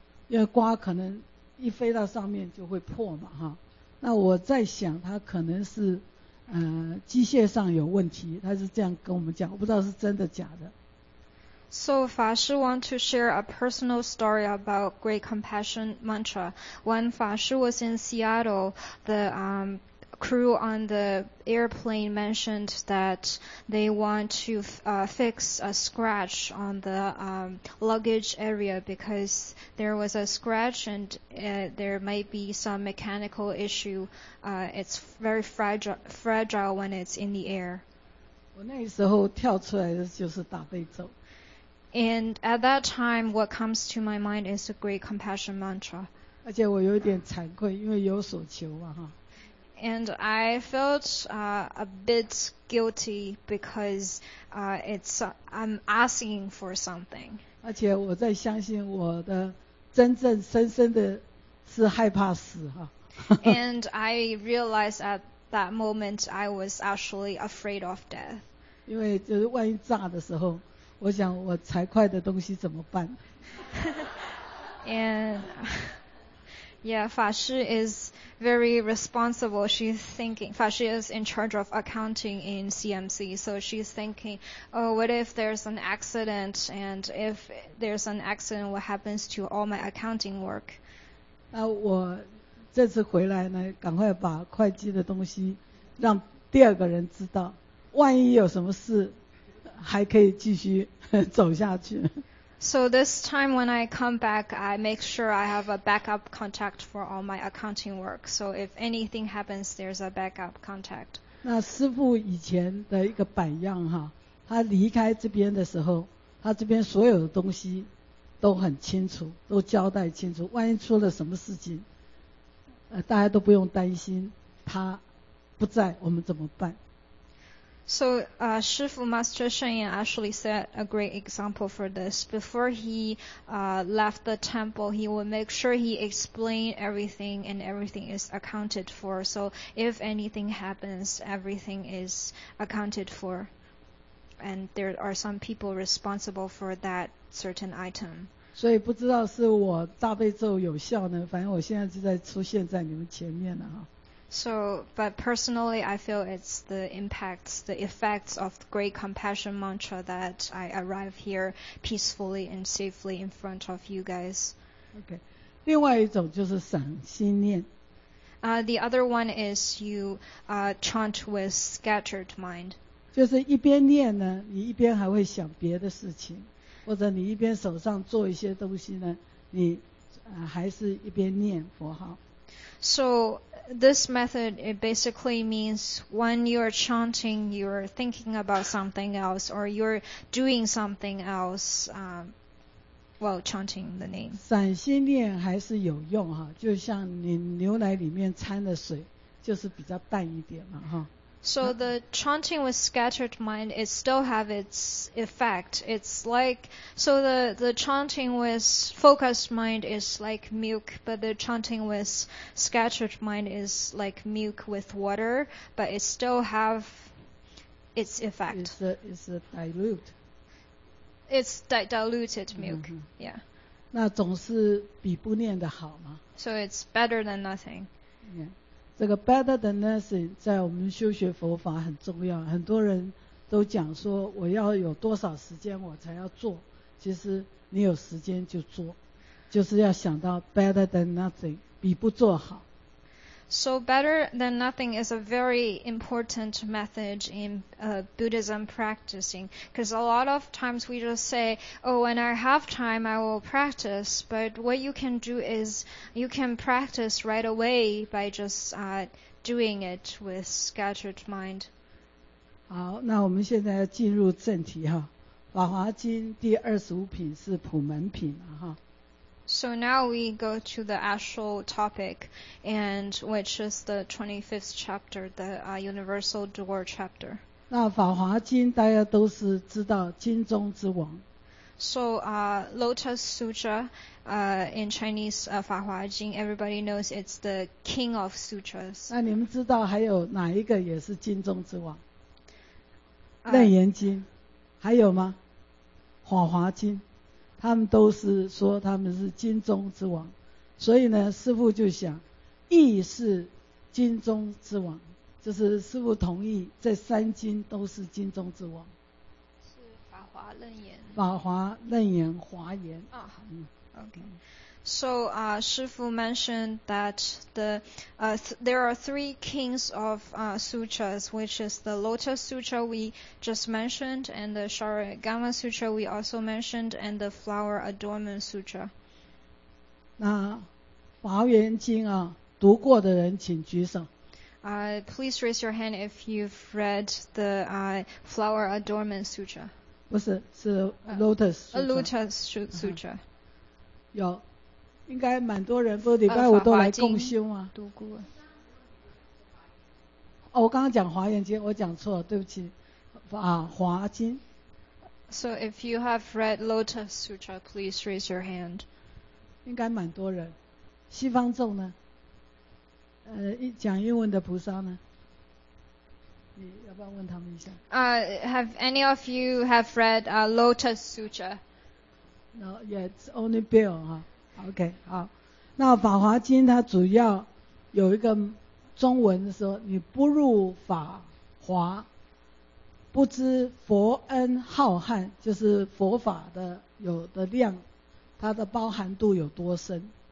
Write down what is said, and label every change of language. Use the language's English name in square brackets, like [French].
[Chinese] 因为瓜可能一飞到上面就会破嘛，哈。那我在想，它可能是机械上有问题，它是这样跟我们讲，我不知道是真的假的。 [English] So, 法师 want to share a personal story about Great Compassion Mantra. When 法师 was in Seattle, the crew on the airplane mentioned that they want to fix a scratch on the luggage area because there was a scratch and there might be some mechanical issue. It's very fragile when it's in the air. [Chinese] 我那时候跳出来的就是大悲咒。 [English] And at that time, what comes to my mind is a Great Compassion Mantra. [Chinese] 而且我有点惭愧，因为有所求嘛，哈。 [English] And I felt a bit guilty because I'm asking for something. [Chinese] 而且我在相信我的真正深深的是害怕死哈。 [English] And I realized at that moment I was actually afraid of death. [Chinese] 因为就是万一炸的时候，我想我财会的东西怎么办？ [English] And yeah, 法师 is very responsible. She's thinking, 法师 is in charge of accounting in CMC. So she's thinking, oh, what if there's an accident? And if there's an accident, what happens to all my accounting work? [Chinese] 那我这次回来呢，赶快把会计的东西让第二个人知道，万一有什么事，还可以继续走下去。 [English] So this time when I come back, I make sure I have a backup contact for all my accounting work. So if anything happens, there's a backup contact. [Chinese] 那师父以前的一个榜样哈，他离开这边的时候，他这边所有的东西都很清楚，都交代清楚。万一出了什么事情，大家都不用担心，他不在，我们怎么办？ [English] So, Shifu Master Shen Yan actually set a great example for this. Before he left the temple, he would make sure he explained everything and everything is accounted for. So, if anything happens, everything is accounted for. And there are some people responsible for that certain item. [Chinese] 所以不知道是我大悲咒有效呢，反正我现在就在出现在你们前面了啊。 [English] So, but personally, I feel it's the impacts, the effects of the Great Compassion Mantra that I arrive here peacefully and safely in front of you guys. [Chinese] Okay. 另外一种就是散心念。 [English] The other one is you chant with scattered mind. [Chinese] 就是一边念呢，你一边还会想别的事情。或者你一边手上做一些东西呢，你还是一边念佛号。 [English] So this method, it basically means when you're chanting, you're thinking about something else, or you're doing something else, while chanting the name. [Chinese] 散心念还是有用哈，就像你牛奶里面掺的水，就是比较淡一点嘛哈。 [English] So the chanting with scattered mind, it still have its effect. It's like, so the chanting with focused mind is like milk, but the chanting with scattered mind is like milk with water, but it still have its effect. It's a dilute. It's diluted milk, mm-hmm. Yeah. [Chinese] 那总是比不念的好吗? [English] So it's better than nothing. Yeah. [Chinese] 这个 [English] better than nothing [Chinese] 在我们修学佛法很重要，很多人都讲说我要有多少时间我才要做，其实你有时间就做，就是要想到 [English] better than nothing [Chinese] 比不做好。 [English] So better than nothing is a very important method in Buddhism practicing, because a lot of times we just say, oh, when I have time I will practice, but what you can do is you can practice right away by just doing it with scattered mind. [Chinese] 好，那我们现在要进入正题哈，《法华经》第二十五品是普门品哈。 [English] So now we go to the actual topic, and which is the 25th chapter, the Universal Door chapter. [Chinese] 那《法华经》大家都是知道经中之王。 [English] So Lotus Sutra, in Chinese, 法华经, everybody knows it's the king of sutras. [Chinese] 那你们知道还有哪一个也是经中之王？楞严经，还有吗？法华经。他们都是说他们是经中之王，所以呢，师父就想，亦是经中之王，就是师父同意这三经都是经中之王。是法华楞严。法华楞严华严。啊、oh, ，OK。 [English] So, 师父mentioned that there are three kings of sutras, which is the Lotus Sutra we just mentioned, and the Sharagama Sutra we also mentioned, and the Flower Adornment Sutra. [Chinese] 那华严经啊，读过的人请举手。 [English] Please raise your hand if you've read the Flower Adornment Sutra. [Chinese] 不是，是 Lotus Sutra. [English] Lotus Sutra. [Chinese] 有。应该蛮多人，不是礼拜五都来共修吗？读过。哦，我刚刚讲华严经，我讲错了，对不起。啊，华经。 [English] So if you have read Lotus Sutra, please raise your hand. [Chinese] 应该蛮多人。西方众呢？讲英文的菩萨呢？你要不要问他们一下？ [English] Have any of you have read Lotus Sutra? No, yeah, it's only Bill, huh? [Chinese] OK, 好。那法华经它主要有一个中文的时候，你不入法华，不知佛恩浩瀚，就是佛法的有的量，它的包含度有多深。